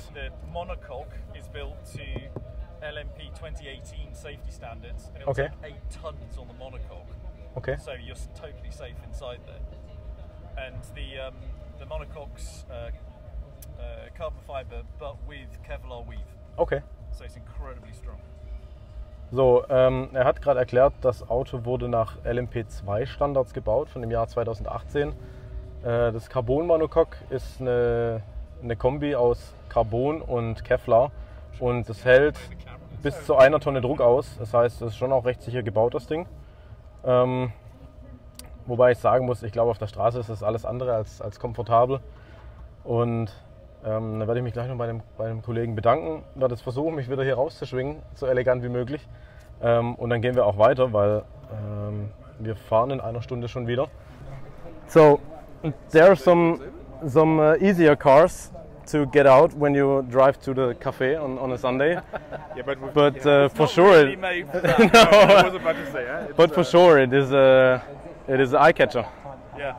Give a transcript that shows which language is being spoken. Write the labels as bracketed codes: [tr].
[en] The monocoque is built to LMP 2018 safety standards, and it'll okay. take 8 tons on the monocoque. Okay. So you're totally safe inside there. And the monocoque's carbon fiber, but with Kevlar weave. Okay. So it's incredibly strong. [de] So, er hat gerade erklärt, das Auto wurde nach LMP2 Standards gebaut, von dem Jahr 2018. Das Carbon Monocoque ist eine Kombi aus Carbon und Kevlar und das hält bis zu einer Tonne Druck aus. Das heißt, es ist schon auch recht sicher gebaut, das Ding. Wobei ich sagen muss, ich glaube, auf der Straße ist das alles andere als komfortabel. Und da werde ich mich gleich noch bei dem Kollegen bedanken. Ich werde jetzt versuchen, mich wieder hier rauszuschwingen, so elegant wie möglich. Und dann gehen wir auch weiter, weil wir fahren in einer Stunde schon wieder. [en] So, there are some easier cars to get out when you drive to the cafe on a Sunday. Yeah, but, for sure, really made for that. No, I was about to say, but for sure, it is an eye catcher. Yeah,